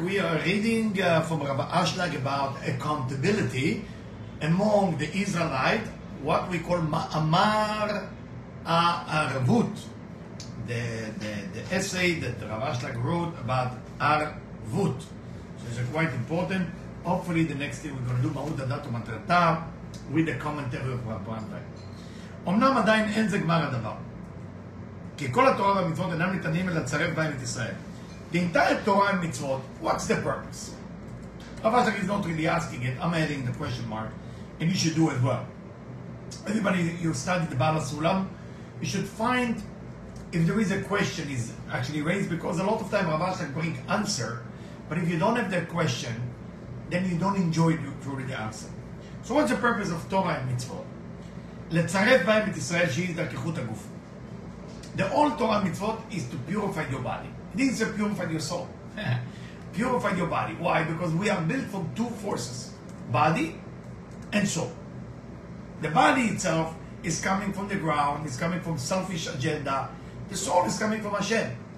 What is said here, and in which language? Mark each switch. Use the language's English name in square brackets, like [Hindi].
[English] We are reading from Rabbi Ashlag about accountability among the Israelites, what we call Ma'amar Arvut, the essay that Rabbi Ashlag wrote about Arvut. So it's quite important. Hopefully, the next thing we're going to do Ma'ud Adat U'Matrata with the commentary of Rabbi Ashlag. [Hebrew] Omnam Adayin Ein Ze Gmar Hadavar. כי כל התורה והמצוות אינם ניתנים אלא לצרף בהם את ישראל. [English] The entire Torah and mitzvot, what's the purpose? Rav Ashlag is not really asking it, I'm adding the question mark, and you should do as well. Everybody, you studied the Baal HaSulam, you should find if there is a question is actually raised, because a lot of time Rav Ashlag bring answer, but if you don't have that question, then you don't enjoy truly the answer. So what's the purpose of Torah and mitzvot? [Hebrew] לצרף בהם את ישראל שהיא דרכיכות הגוף. [English] The whole Torah mitzvot is to purify your body. It is to purify your soul. Purify your body. Why? Because we are built from two forces. Body and soul. The body itself is coming from the ground. It's coming from selfish agenda. The soul is coming from Hashem.